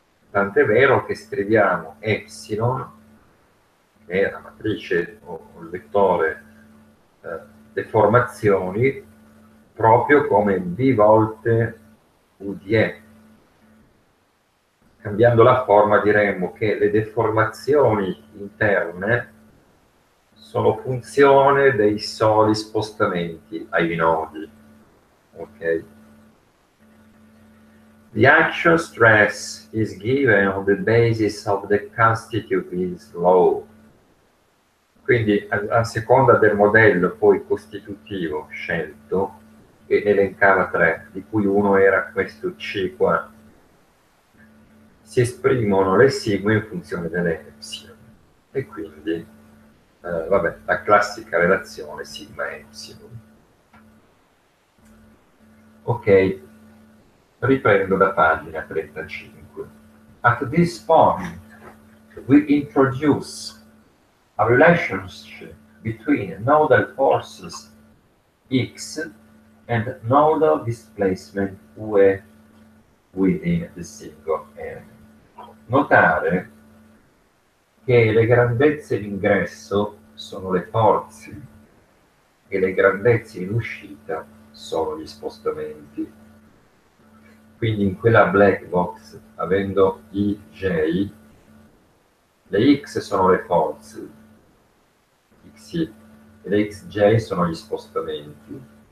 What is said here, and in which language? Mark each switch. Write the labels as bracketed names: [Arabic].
[Italian] Tant'è vero che scriviamo epsilon, che è la matrice o il vettore deformazioni, proprio come B volte U di E. Cambiando la forma diremmo che le deformazioni interne sono funzione dei soli spostamenti ai nodi. Ok. [English] The action stress is given on the basis of the constitutive law. [Italian] Quindi a seconda del modello poi costitutivo scelto, e elencava tre, di cui uno era questo C qua, si esprimono le sigma in funzione dell'epsilon. E quindi, vabbè, la classica relazione sigma-epsilon. Ok, riprendo da pagina 35. [English] At this point, we introduce a relationship between nodal forces X and nodal displacement UE within the single area. [Italian] Notare che le grandezze in ingresso sono le forze e le grandezze in uscita sono gli spostamenti. Quindi in quella black box, avendo I, J, le X sono le forze, XI, e le XJ sono gli spostamenti.